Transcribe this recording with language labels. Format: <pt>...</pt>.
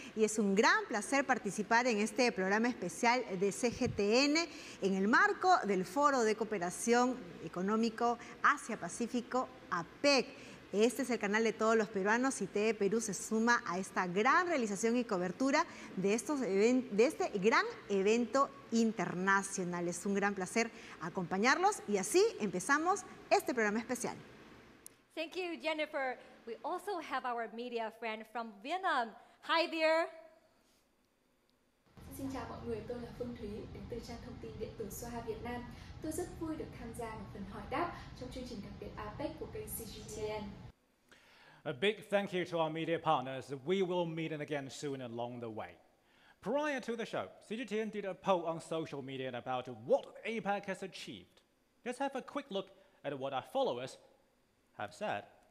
<es>Y es un gran placer participar en este programa especial de CGTN en el marco del Foro de Cooperación Económico Asia-Pacífico, APEC. Este es el canal de todos los peruanos y TV Perú se suma a esta gran realización y cobertura de, este gran evento internacional. Es un gran placer acompañarlos y así empezamos este programa especial.</es> <en>Thank you, Jennifer. We also have our media friend from Vietnam. Hi there.</en> <vi>Xin chào mọi người, tôi là Phương Thúy đến từ trang thông tin điện tử Soha Việt Nam. Tôi rất vui được tham gia một phần hỏi đáp trong chương trình đặc biệt APEC của kênh CGTN.</vi> <en>A big thank you to our media partners. We will meet again soon along the way. Prior to the show, CGTN did a poll on social media about what APEC has achieved. Let's have a quick look at what our followers have said.</en>